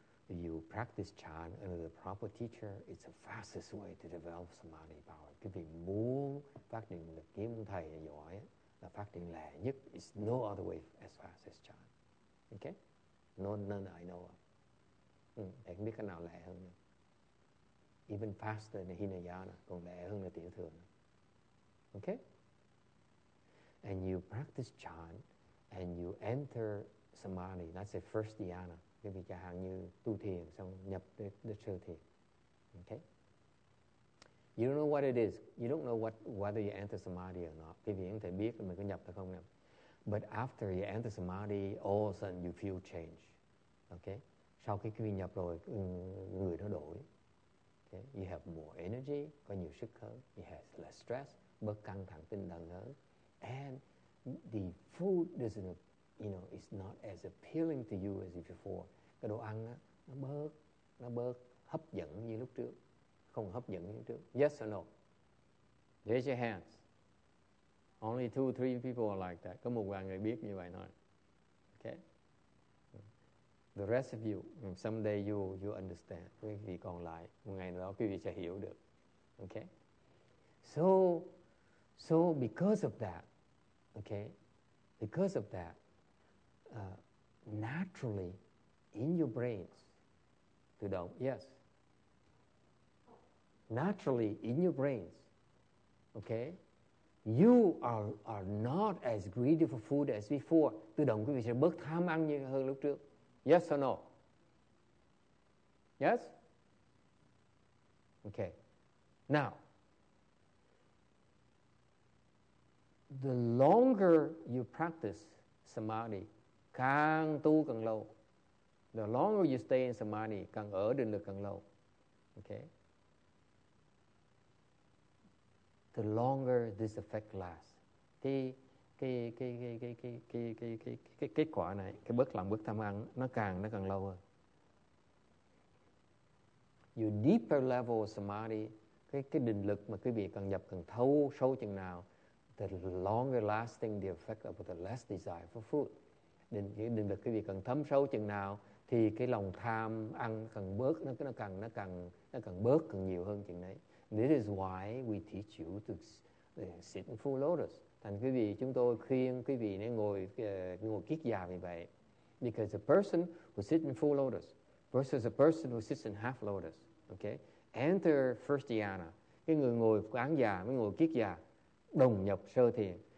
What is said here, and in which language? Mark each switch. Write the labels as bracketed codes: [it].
[en] If you practice chan under the proper teacher, it's the fastest way to develop samadhi power. [vi] Quý vị muốn phát triển định lực kiếm thầy giỏi là phát triển lẹ nhất. [en] It's no other way as fast as chan. Okay? None I know of. [vi] Thầy không biết cái nào lẹ hơn nữa. [en] Even faster than Hinayana, [vi] còn lẹ hơn là tiểu thừa. [en] Okay? And you practice chan, and you enter samadhi, that's the first dhyana. [vi] Quý vị chẳng hạn như tu thiền, xong nhập đến sơ thiền. [en] Okay? You don't know what it is. You don't know whether you enter samadhi or not. [vi] Quý vị không thể biết mình có nhập hay không nhập. [en] But after you enter samadhi, all of a sudden you feel change. Okay? [vi] Sau khi quý vị nhập rồi, người nó đổi. Okay. [en] You have more energy, [vi] có nhiều sức hơn. [en] You have less stress, [vi] bớt căng thẳng tinh thần hơn. [en] And the food is not as appealing to you as before. [vi] Cái đồ ăn á, nó bớt hấp dẫn như lúc trước, không hấp dẫn như lúc trước. [en] Yes or no? Raise your hands. Only 2-3 people are like that. [vi] Có một vài người biết như vậy thôi. Okay. [en] The rest of you, someday you understand. [vi] Quý vị còn lại, một ngày nào đó quý vị sẽ hiểu được. [en] Okay? So because of that, okay? Because of that, naturally, in your brains, [vi] tự động, [en] yes. Naturally, in your brains, okay? You are not as greedy for food as before. [vi] Tự động quý vị sẽ bớt tham ăn như hơn lúc trước. [en] Yes or no? Yes? Okay. Now, the longer you practice samadhi, [vi] càng tu càng lâu. [en] The longer you stay in samadhi, [vi] càng ở định lực càng lâu. [en] Okay? The longer this effect lasts. [vi] Cái kết quả này, cái bước làm bước tham ăn nó càng lâu hơn. [en] Your deeper level of samadhi, [vi] cái định lực mà quý vị cần nhập cần thấu sâu chừng nào, [en] the longer lasting the effect of the less desire for food. [vi] Định lực quý vị cần thấm sâu chừng nào thì cái lòng tham ăn càng bớt càng nhiều hơn chừng đấy. [en] This is why we teach you to sit in full lotus. [vi] Thành quý vị, chúng tôi khuyên quý vị nên ngồi kiết già như vậy. [en] Because a person who sits in full lotus, versus a person who sits in half lotus. Okay, enter first dhyana. [vi] Cái người ngồi quán già với ngồi kiết già đồng nhập sơ thiền.